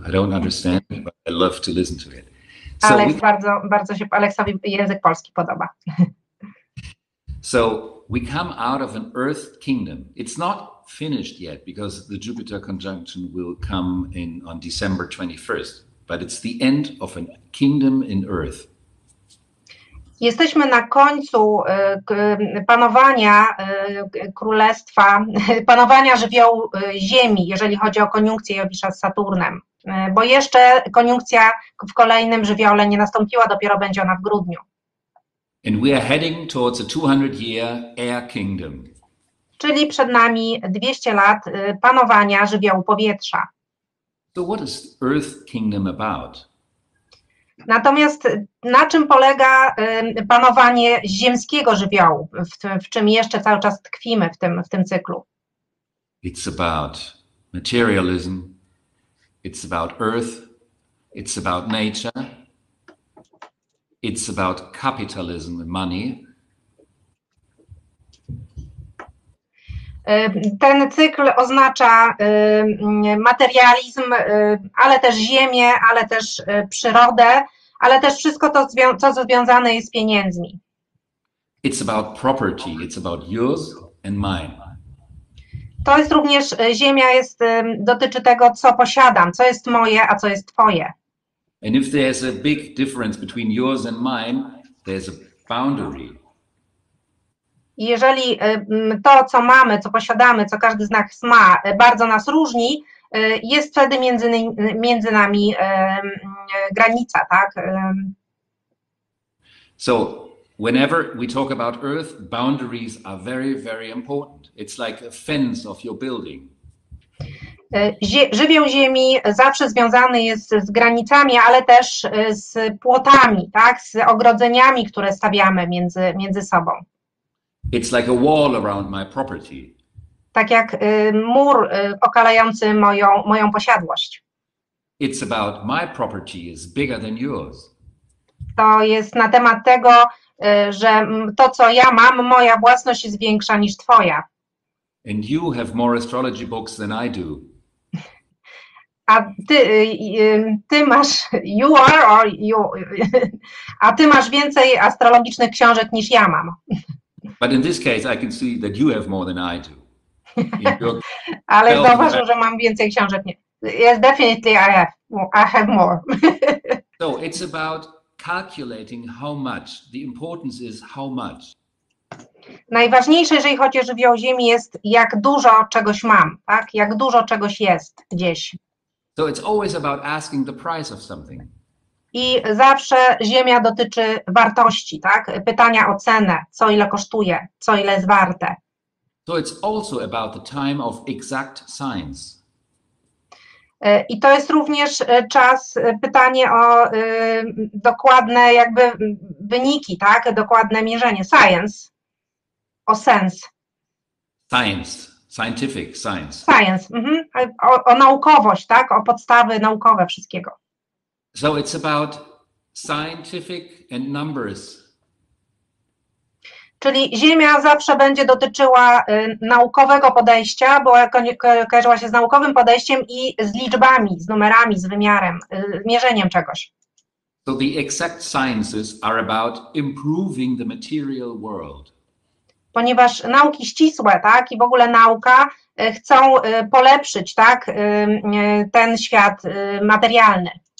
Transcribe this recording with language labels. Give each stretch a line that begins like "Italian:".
English: I don't understand, but I love to listen to it. So
Polish: Aleks, bardzo, bardzo się Aleksowi język polski podoba.
English: So we come out of an earth kingdom. It's not finished yet because the Jupiter conjunction will come in on December 21st, but it's the end of a kingdom in earth.
Polish: Jesteśmy na końcu panowania królestwa, panowania żywiołu Ziemi, jeżeli chodzi o koniunkcję Jowisza z Saturnem, bo jeszcze koniunkcja w kolejnym żywiole nie nastąpiła, dopiero będzie ona w grudniu.
English: And we are heading towards a 200-year air kingdom.
Polish: Czyli przed nami 200 lat panowania żywiołu powietrza.
English: So what is Earth Kingdom about?
Polish: Natomiast na czym polega panowanie ziemskiego żywiołu, w czym jeszcze cały czas tkwimy w tym cyklu?
English: It's about materialism, it's about earth, it's about nature, it's about capitalism and money.
Polish: Ten cykl oznacza materializm, ale też ziemię, ale też przyrodę, ale też wszystko to, co związane jest z pieniędzmi.
English: It's about property, it's about yours and mine.
Polish: To jest również, ziemia jest, dotyczy tego, co posiadam, co jest moje, a co jest twoje.
English: And if there's a big difference between yours and mine, there's a boundary.
Polish: Jeżeli to, co mamy, co posiadamy, co każdy z nas ma, bardzo nas różni, jest wtedy między nami granica, tak?
English: So, whenever we talk about earth, boundaries are very, very important. It's like a fence of your building.
Polish: Żywioł ziemi zawsze związany jest z granicami, ale też z płotami, tak? Z ogrodzeniami, które stawiamy między sobą.
English: It's like a wall around my property.
Polish: Tak jak mur okalający moją posiadłość.
English: It's about my property is bigger than yours.
Polish: To jest na temat tego, że to, co ja mam, moja własność jest większa niż twoja.
English: And you have more astrology books than I do.
Polish: A ty masz,
English: you are or you,
Polish: a ty masz więcej astrologicznych książek niż ja mam.
English: But in this case I can see that you have more than I do.
Polish: Ale zauważył, że mam więcej książek. Nie.
English: Yes, definitely I have more. So it's about calculating how much. The importance is how much.
Polish: Najważniejsze, jeżeli chodzi o żywioł ziemi, jest jak dużo czegoś mam, tak? Jak dużo czegoś jest gdzieś.
English: So it's always about asking the price of something.
Polish: I zawsze ziemia dotyczy wartości, tak? Pytania o cenę, co ile kosztuje, co ile jest warte.
English: So it's also about the time of exact science.
Polish: I to jest również czas, pytanie o dokładne jakby wyniki, tak? Dokładne mierzenie, science, o sens.
English: Science, scientific science.
Polish: Science, o naukowość, tak? O podstawy naukowe wszystkiego.
English: So it's about scientific and numbers.
Polish: Czyli ziemia zawsze będzie dotyczyła naukowego podejścia, bo kojarzyła się z naukowym podejściem i z liczbami, z numerami, z wymiarem, z mierzeniem czegoś.
English: So the exact sciences are about improving the material world.
Polish: Ponieważ nauki ścisłe, tak, i w ogóle nauka chcą polepszyć, tak, ten świat materialny.